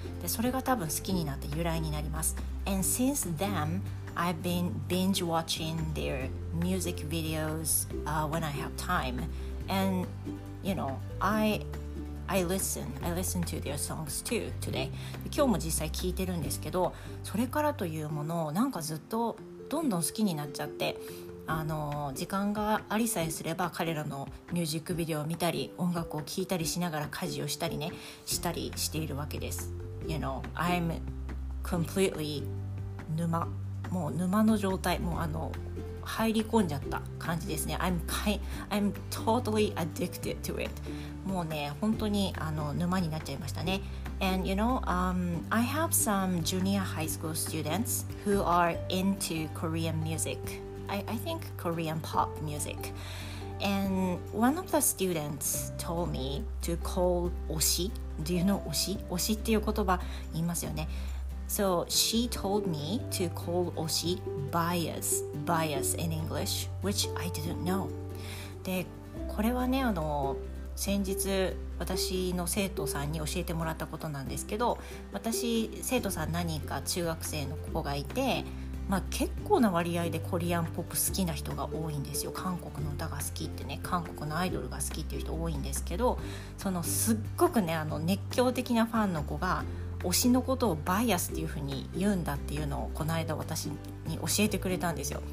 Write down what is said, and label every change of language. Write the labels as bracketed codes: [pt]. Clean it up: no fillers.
[ja] で、それが多分好きになった由来になります。 [en] And since then, I've been binge watching their music videos when I have time. And, you know, I listen to their songs too today. [ja] 今日も実際聞いてるんですけど、それからというものをなんかずっとどんどん好きになっちゃって、時間がありさえすれば彼らのミュージックビデオを見たり、音楽を聴いたりしながら家事をしたりね、したりしているわけです。 [en] You know, I'm completely [ja] 沼、もう沼の状態、もう入り込んじゃった感じですね。 [en] I'm totally addicted to it. [ja] もうね、本当に沼になっちゃいましたね。 [en] And you know, I have some junior high school students who are into Korean musicI think Korean pop music. And one of the students told me to call 推し。 Do you know 推し？ [ja] 推しっていう言葉言いますよね。 [en] So she told me to call 推し bias in English, which I didn't know. [ja] で、これはね、先日私の生徒さんに教えてもらったことなんですけど、私、生徒さん何人か中学生の子がいて、結構な割合でコリアンポップ好きな人が多いんですよ。韓国の歌が好きってね、韓国のアイドルが好きっていう人多いんですけど、そのすっごくね、熱狂的なファンの子が推しのことをバイアスっていう風に言うんだっていうのをこの間私に教えてくれたんですよ。